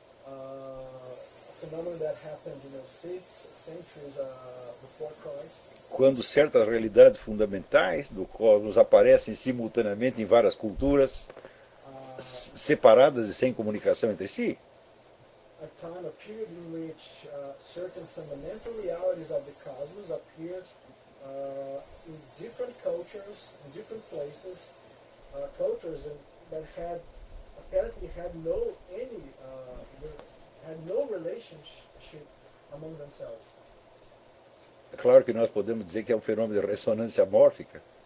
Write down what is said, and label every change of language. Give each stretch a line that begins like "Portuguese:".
English: A phenomenon that happened, you know, 6 centuries before Christ.
Portuguese: Quando certas realidades fundamentais do cosmos aparecem simultaneamente em várias culturas, separadas e sem comunicação entre si.
English: A time, a period in which certain fundamental realities of the cosmos appear in different cultures, in different places, cultures that had apparently had no relationship among themselves.
Portuguese: Claro que nós podemos dizer que é um fenômeno de ressonância mórfica.